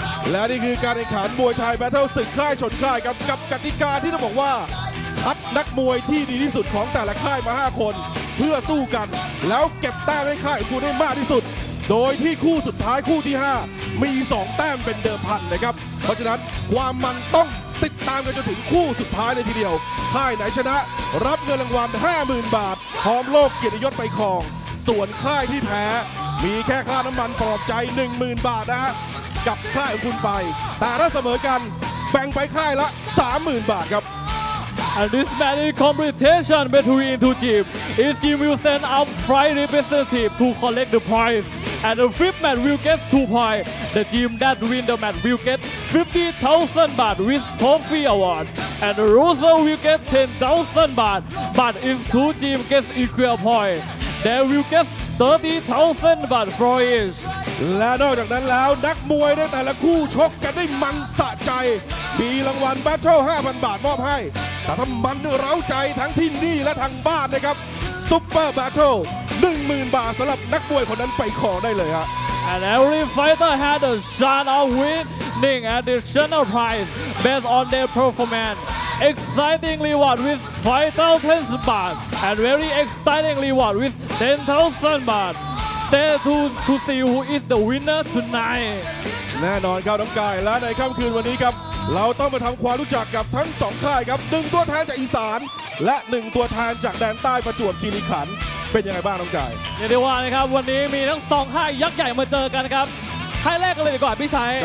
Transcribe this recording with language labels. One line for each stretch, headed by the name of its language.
Thai: และนี่คือการแข่งขันมวยไทยแบทเทิลศึกค่ายชนค่ายกับกติกาที่ต้องบอกว่าคัดนักมวยที่ดีที่สุดของแต่ละค่ายมา5คนเพื่อสู้กันแล้วเก็บแต้มให้ค่ายของคุณได้มากที่สุดโดยที่คู่สุดท้ายคู่ที่5มี2แต้มเป็นเดิมพันนะครับเพราะฉะนั้นความมันต้องติดตามกันจนถึงคู่สุดท้ายเลยทีเดียวค่ายไหนชนะ รับเงินรางวัล 50,000 บาทพร้อมโลกเกียรติยศไปครองส่วนค่ายที่แพ้มีแค่ค่าน้ำมันปลอบใจ 10,000 บาทนะฮะกับค่ายของคุณไปแต่ถ้าเสมอกันแบ่งไปค่ายละ 30,000 บาทครับ
English: And this match is competition between two teams is Kim will send up five representative to collect the prize and the fifth man will get 2 points the team that win the match will get 50,000 baht with trophy award and the loser will get 10,000 baht but if two teams get equal point they will get 30,000 baht for each
Thai: และนอกจากนั้นแล้วนักมวยในแต่ละคู่ชกกันได้มันสะใจมีรางวัล Battle 5,000 บาทมอบให้แต่ถ้ามันเร้าใจทั้งที่นี่และทางบ้านนะครับ Super Battle 10,000 บาทสำหรับนักมวยคนนั้นไปขอได้เลยฮะ
English: And every fighter had a shot of winning additional prize based on their performance exciting reward with 5,000 baht and very exciting reward with 10,000 bahtStay tuned to see who is the winner tonight.
Thai: แน่นอนครับน้องกายและในค่ำคืนวันนี้ครับเราต้องมาทำความรู้จักกับทั้งสองค่ายครับหนึ่งตัวแทนจากอีสานและหนึ่งตัวแทนจากแดนใต้ประจวบคีรีขันธ์เป็นยังไงบ้างน้องกาย เดี๋ยวดีกว่านะครับวันนี้มีทั้งสองค่ายยักษ์ใหญ่มาเจอกันครับค่ายแรกกันเลยดีกว่าพี่ชัย